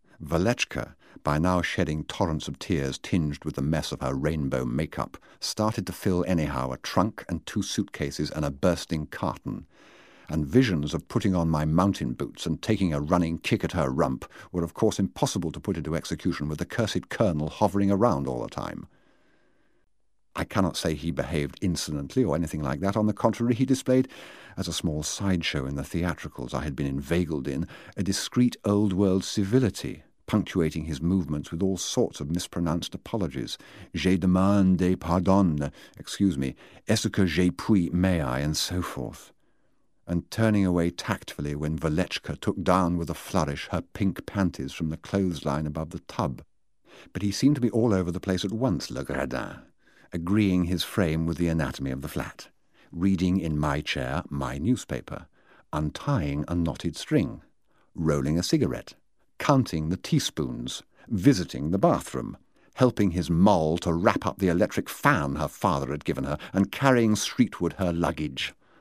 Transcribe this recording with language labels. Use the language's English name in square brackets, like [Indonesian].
[English] Valechka, by now shedding torrents of tears tinged with the mess of her rainbow makeup, started to fill anyhow a trunk and two suitcases and a bursting carton, and visions of putting on my mountain boots and taking a running kick at her rump were of course impossible to put into execution with the cursed colonel hovering around all the time. I cannot say he behaved insolently or anything like that. On the contrary, he displayed, as a small sideshow in the theatricals I had been inveigled in, a discreet old-world civility, punctuating his movements with all sorts of mispronounced apologies. [French] Je demande pardon, [English] excuse me, [French] est-ce que je puis, [English] may I, and so forth. And turning away tactfully when Valechka took down with a flourish her pink panties from the clothesline above the tub. But he seemed to be all over the place at once, Le Gredin, agreeing his frame with the anatomy of the flat, reading in my chair my newspaper, untying a knotted string, rolling a cigarette, counting the teaspoons, visiting the bathroom, helping his moll to wrap up the electric fan her father had given her, and carrying streetward her luggage.